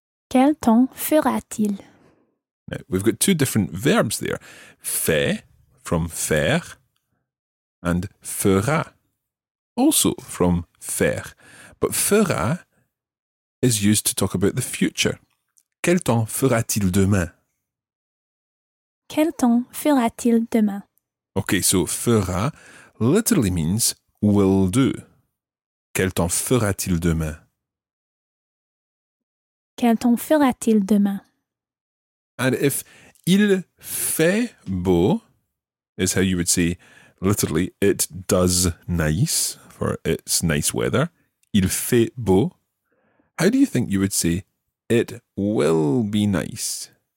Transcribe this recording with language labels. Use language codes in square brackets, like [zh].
[fr] Quel temps fera-t-il? [en] Now, we've got two different verbs there. Fait, from faire, and fera, also from faire. But fera is used to talk about the future. [fr] Quel temps fera-t-il demain? Quel temps fera-t-il demain? [en] Okay, so fera literally means will do. [fr] Quel temps fera-t-il demain? Quel temps fera-t-il demain? [en] And if [fr] il fait beau, [en] is how you would say literally, it does nice, for it's nice weather. [fr] Il fait beau. [en] How do you think you would say it will be nice?